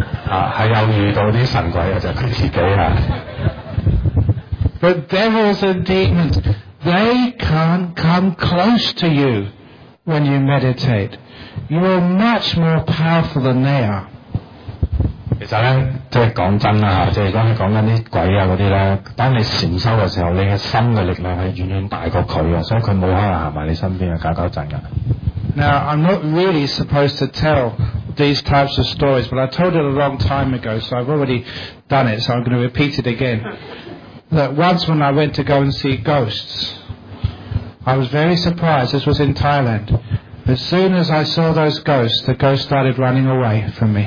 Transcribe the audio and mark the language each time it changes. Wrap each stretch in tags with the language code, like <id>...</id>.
<yue>啊，係又遇到啲神鬼啊，就係佢自己啊。</yue> <en>But devils and demons, they can't come close to you when you meditate. You are much more powerful than they are.</en> <yue>其實咧，即係講真啦，即係講緊啲鬼啊嗰啲咧，當你禅修嘅時候，你嘅心嘅力量係遠遠大過佢啊，所以佢冇可能行埋你身邊啊，搞搞震噶。</yue> <en>Now I'm not really supposed to tell these types of stories, but I told it a long time ago, so I've already done it. So I'm going to repeat it again. That once when I went to go and see ghosts, I was very surprised. This was in Thailand. As soon as I saw those ghosts, the ghost started running away from me.</en>